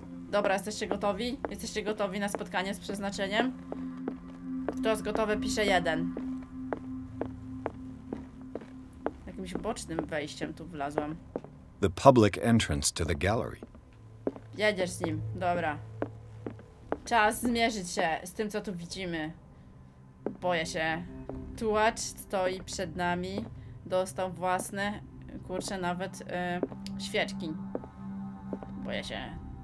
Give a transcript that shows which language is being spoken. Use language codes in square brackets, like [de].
[pl] Dobra, jesteście gotowi? Jesteście gotowi na spotkanie z przeznaczeniem? Kto jest gotowy, pisze jeden. Jakimś bocznym wejściem tu wlazłam. [en] The public entrance to the gallery. [pl] Jedziesz z nim, dobra. Czas zmierzyć się z tym, co tu widzimy. Boję się. Tułacz stoi przed nami. Dostał własne, kurczę, nawet świeczki. Boję się.